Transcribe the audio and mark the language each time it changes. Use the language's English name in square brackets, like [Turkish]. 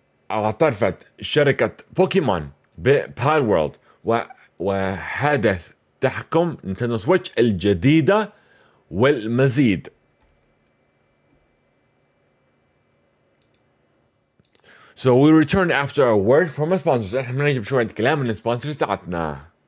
[Arabic] اعترفت شركة بوكيمون ببالورلد وحدث تحكم نينتندو سويتش الجديدة والمزيد. [English] So we return after a word from our sponsors. [Arabic] احنا بنجيب شوية كلام من السبونسرز تاعتنا.